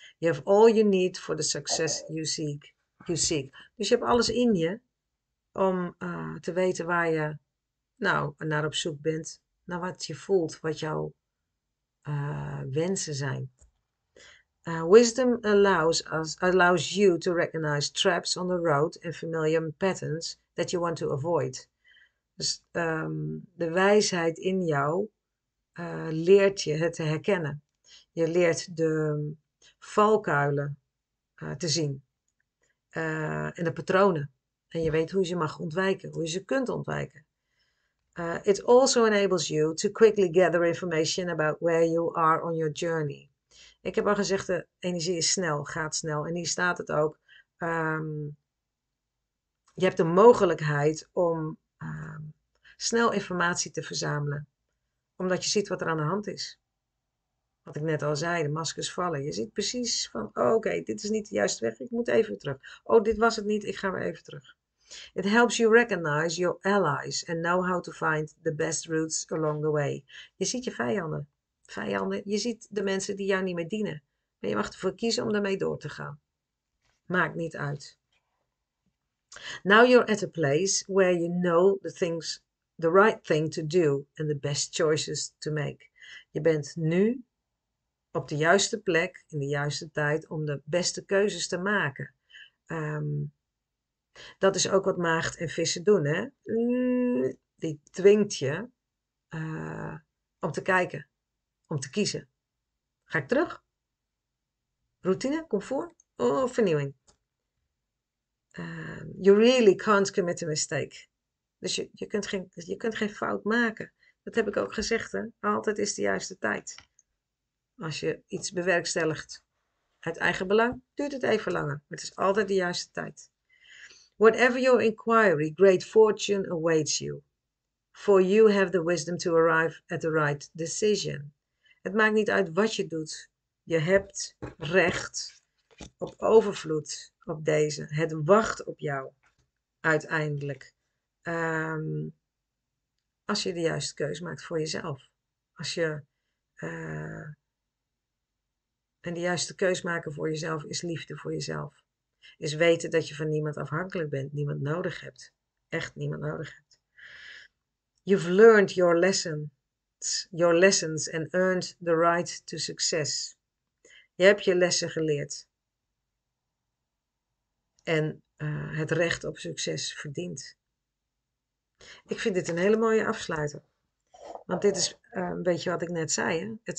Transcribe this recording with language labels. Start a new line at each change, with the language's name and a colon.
English: You have all you need for the success you seek.
Dutch: Dus je hebt alles in je om te weten waar je nou naar op zoek bent. Naar wat je voelt, wat jouw wensen zijn.
English: Wisdom allows you to recognize traps on the road and familiar patterns that you want to avoid.
Dutch: Dus de wijsheid in jou leert je het te herkennen. Je leert de valkuilen te zien en de patronen. En je weet hoe je ze mag ontwijken, hoe je ze kunt ontwijken.
English: It also enables you to quickly gather information about where you are on your journey.
Dutch: Ik heb al gezegd, de energie is snel, gaat snel. En hier staat het ook. Je hebt de mogelijkheid om snel informatie te verzamelen. Omdat je ziet wat er aan de hand is. Wat ik net al zei, de maskers vallen. Je ziet precies van, oh, oké, dit is niet de juiste weg. Ik moet even terug. Oh, dit was het niet. Ik ga weer even terug.
English: It helps you recognize your allies and know how to find the best routes along the way.
Dutch: Je ziet je vijanden. Je ziet de mensen die jou niet meer dienen. Maar je mag ervoor kiezen om daarmee door te gaan. Maakt niet uit.
English: Now you're at a place where you know the right thing to do and the best choices to make.
Dutch: Je bent nu op de juiste plek, in de juiste tijd, om de beste keuzes te maken. Dat is ook wat maagd en vissen doen, hè? Die dwingt je om te kijken. Om te kiezen. Ga ik terug? Routine, comfort of vernieuwing?
English: You really can't commit a mistake.
Dutch: Dus je kunt geen fout maken. Dat heb ik ook gezegd, hè? Altijd is de juiste tijd. Als je iets bewerkstelligt uit eigen belang, duurt het even langer. Maar het is altijd de juiste tijd.
English: Whatever your inquiry, great fortune awaits you. For you have the wisdom to arrive at the right decision.
Dutch: Het maakt niet uit wat je doet. Je hebt recht op overvloed op deze. Het wacht op jou uiteindelijk. Als je de juiste keuze maakt voor jezelf. Als je en de juiste keuze maken voor jezelf is liefde voor jezelf. Is weten dat je van niemand afhankelijk bent. Niemand nodig hebt. Echt niemand nodig hebt.
English: You've learned your lesson. Your lessons and earned the right to success.
Dutch: Je hebt je lessen geleerd. En het recht op succes verdient. Ik vind dit een hele mooie afsluiter. Want dit is een beetje wat ik net zei. Hè?